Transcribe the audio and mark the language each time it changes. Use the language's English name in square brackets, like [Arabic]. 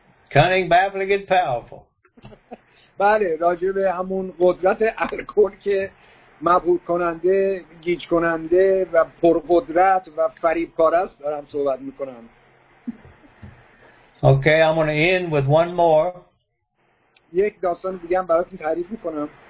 [English] Cunning, baffling and powerful. [Persian] بله، راجع به همون قدرت الکل که مبهوت کننده، گیج کننده و پرقدرت و فریبکار است دارم صحبت میکنم. [English] Okay, I'm going to end with one more. [Persian] یک داستان دیگه هم براتون تعریف میکنم.